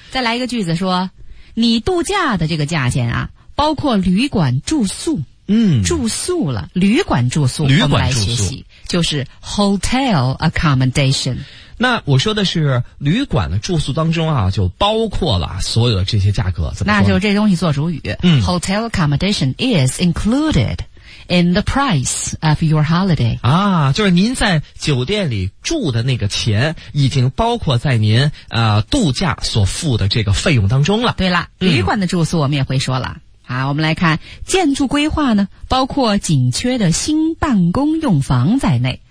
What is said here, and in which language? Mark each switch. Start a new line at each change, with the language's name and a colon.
Chinese: 再来一个句子说，你度假的这个价钱啊，包括旅馆住宿，嗯，住宿了，旅馆住宿，旅馆住宿来学习就是 hotel accommodation。那我说的是旅馆的住宿当中啊，就包括了所有的这些价格，怎么说？那就这东西做主语。嗯
English: ，hotel accommodation is included in the price of your holiday。
Chinese: 啊，就是您在酒店里住的那个钱，已经包括在您度假所付的这个费用当中了。对了，旅馆的住宿我们也会说了。啊，我们来看建筑规划呢，包括紧缺的新办公用房在内。